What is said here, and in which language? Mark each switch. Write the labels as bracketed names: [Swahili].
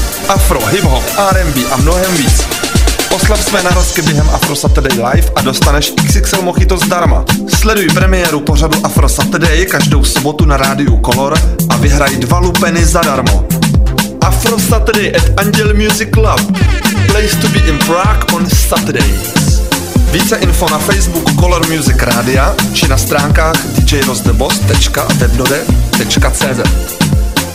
[Czech] Afro, hip-hop, R&B a mnohem víc. Oslav své narozky během Afro Saturday live a dostaneš XXL mojito zdarma. Sleduj premiéru pořadu Afro Saturday každou sobotu na rádiu Color a vyhraj 2 lupeny zadarmo. [English] Afro Saturday at Anděl Music Club. Place to be in Prague on Saturday. [Czech] Více info na Facebooku Color Music Radia či na stránkách djrozdeboss.webdode.cz.